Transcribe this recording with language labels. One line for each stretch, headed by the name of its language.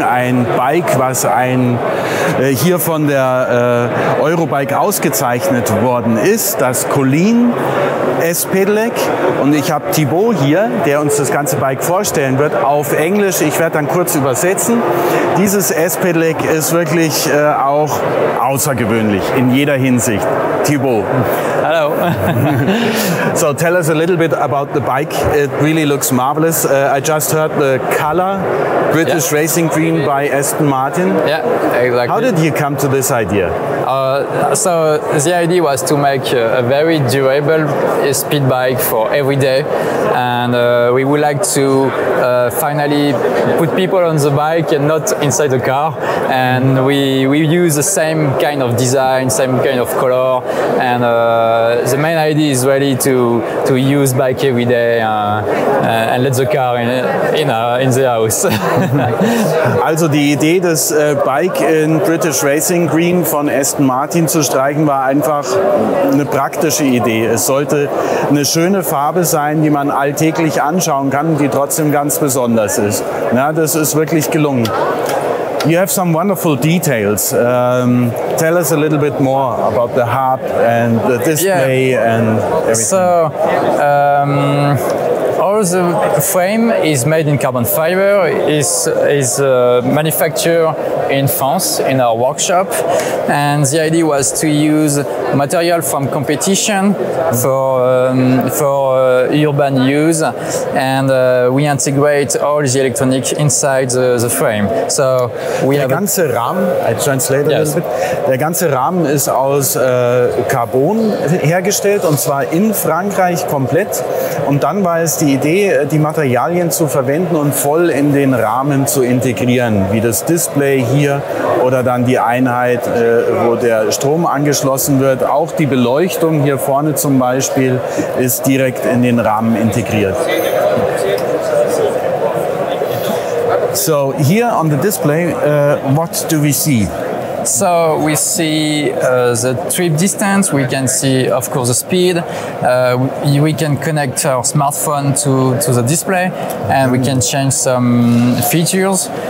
German: Ein Bike, was hier von der Eurobike ausgezeichnet worden ist, das Colleen S-Pedelec. Und ich habe Thibaut hier, der uns das ganze Bike vorstellen wird, auf Englisch. Ich werde dann kurz übersetzen. Dieses S-Pedelec ist wirklich auch außergewöhnlich in jeder Hinsicht. Thibaut. Hallo.
English: So, tell us a little bit about the bike. It really looks marvelous. I just heard the color, British Racing Green by Aston Martin. Yeah, exactly. How did you come to this idea? So the idea was to make a very durable speed bike for every day, and we would like to finally put people on the bike and not inside the car. And we use the same kind of design, same kind of color, and the main idea is really to use bike every day and let the car in the house.
German: Also die Idee des Bike in British Racing Green von Aston Martin zu streichen war einfach eine praktische Idee. Es sollte eine schöne Farbe sein, die man alltäglich anschauen kann, die trotzdem ganz besonders ist. Ja, das ist wirklich gelungen.
English: You have some wonderful details. Tell us a little bit more about the hub and the display and everything. So, all the frame is made in carbon fiber. It's manufactured in France in our workshop, and the idea was to use material from competition for urban use, and we integrate all the electronics inside the frame. So we
German: der
English: have
German: ganze Rahmen.
English: I translate a little bit.
German: Der ganze Rahmen ist aus Carbon hergestellt, und zwar in Frankreich komplett. Und dann war es die Idee, die Materialien zu verwenden und voll in den Rahmen zu integrieren, wie das Display hier oder dann die Einheit, wo der Strom angeschlossen wird. Auch die Beleuchtung hier vorne zum Beispiel ist direkt in den Rahmen integriert.
English: So, here on the display, what do we see? So we see the trip distance, we can see of course the speed, we can connect our smartphone to the display, and we can change some features.